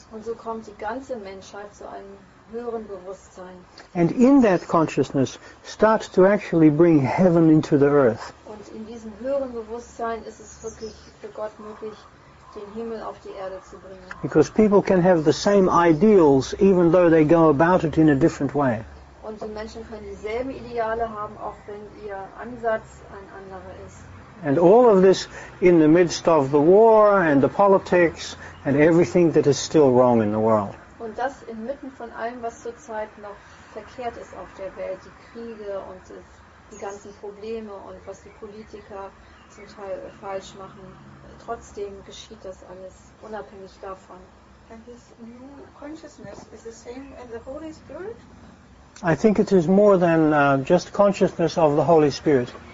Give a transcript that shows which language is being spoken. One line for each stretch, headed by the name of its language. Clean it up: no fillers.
German: Und so kommt die ganze Menschheit zu einem höheren Bewusstsein.
English: And in that consciousness starts to actually bring heaven into the earth.
German: Und in diesem höheren Bewusstsein ist es wirklich für Gott möglich, den Himmel auf die Erde zu bringen.
English: Because people can have the same ideals even though they go about it in a different way.
German: Und die Menschen können dieselben Ideale haben, auch wenn ihr Ansatz ein anderer ist.
English: And all of this in the midst of the war and the politics and everything that is still wrong in the world.
German: Und das inmitten von allem, was zurzeit noch verkehrt ist auf der Welt, die Kriege und die ganzen Probleme und was die Politiker zum Teil falsch machen. Trotzdem geschieht das alles unabhängig davon.
English: And this new consciousness is the same as the Holy Spirit? I think it is more than just consciousness of the Holy Spirit.